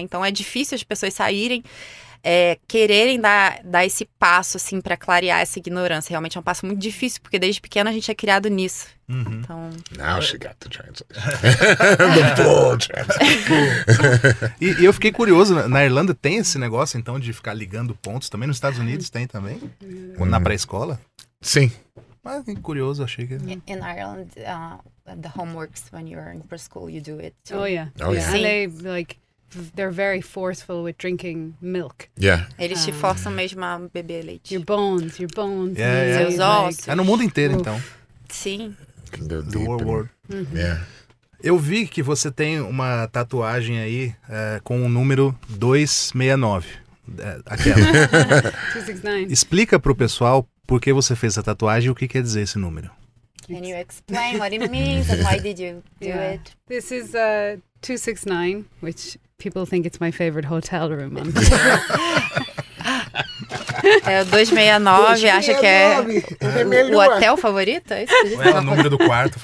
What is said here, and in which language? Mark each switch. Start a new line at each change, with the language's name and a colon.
Portuguese: Então é difícil as pessoas saírem, quererem dar esse passo, assim, para clarear essa ignorância. Realmente é um passo muito difícil, porque desde pequeno a gente é criado nisso. Uhum. Então,
English: now she got the translation. The full translation.
Portuguese: E eu fiquei curioso, na Irlanda tem esse negócio, então, de ficar ligando pontos também? Nos Estados Unidos tem também? Uhum. Na pré-escola? Sim. Mas é curioso, achei que...
English: In Ireland, the homeworks when you're in preschool, you do it. So... Oh, yeah. Oh, yeah. And they, like, they're very forceful with drinking milk. Yeah.
Portuguese: Eles te forçam mesmo a beber leite.
English: Your bones. Yeah.
Portuguese: Seus ossos. É no mundo inteiro, então. Sim.
English: The world. And... Mm-hmm. Yeah.
Portuguese: Eu vi que você tem uma tatuagem aí com o número 269. Aquela. 269. Explica pro pessoal... Por que você fez a tatuagem e o que quer dizer esse número?
English: Can you explain what it means and why did you do it? This is 269, which people think it's my favorite hotel room.
Portuguese: É 269, acha que é o hotel favorito? É o número do quarto.